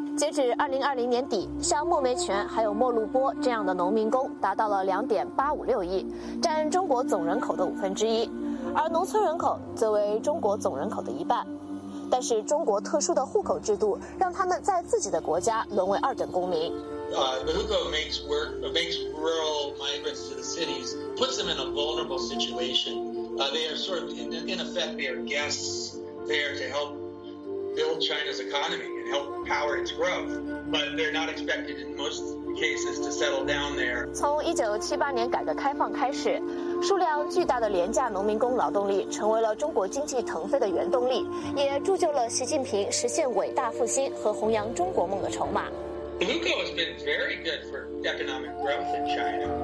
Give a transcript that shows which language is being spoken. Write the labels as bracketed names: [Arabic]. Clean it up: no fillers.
[Chinese] 截止2020年底，像莫梅全还有莫路波这样的农民工达到了2.856亿，占中国总人口的1/5，而农村人口则为中国总人口的1/2。但是中国特殊的户口制度让他们在自己的国家沦为二等公民。 [English] The hukou makes rural migrants to the cities, puts them in a vulnerable situation. They are sort of, in effect, they are guests there to help build China's economy and help power its growth. But they're not expected in most cases to settle down there. [Chinese] 从1978年改革开放开始，数量巨大的廉价农民工劳动力成为了中国经济腾飞的原动力，也铸就了习近平实现伟大复兴和弘扬中国梦的筹码。 [English] The hukou has been very good for economic growth in China.